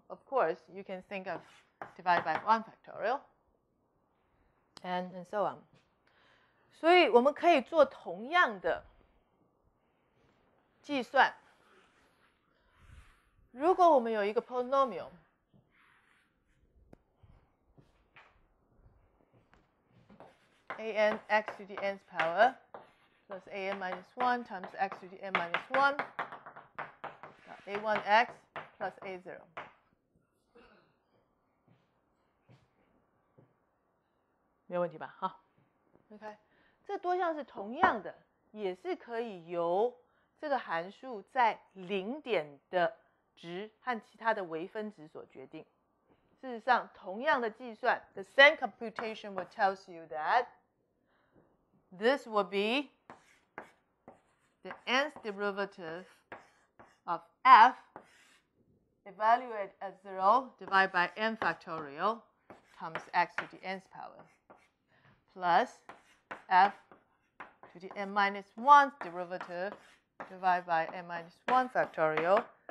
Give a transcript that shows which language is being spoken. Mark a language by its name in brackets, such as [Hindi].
[English] Of course, you can think of divided by 1 factorial. And so on. [Chinese] 所以我们可以做同样的计算。如果我们有一个 [English] polynomial, 安 x to the nth power plus an minus 1 times x to the n minus 1 a1x plus a0. [Chinese] 没有问题吧？好 ，OK， 这多项是同样的，也是可以由这个函数在零点的值和其他的微分值所决定。事实上，同样的计算 [English] ，the same computation will tell you that this will be the nth derivative of f evaluated at 0 divided by n factorial times x to the nth power plus f to the n minus 1 derivative divided by n minus 1 factorial.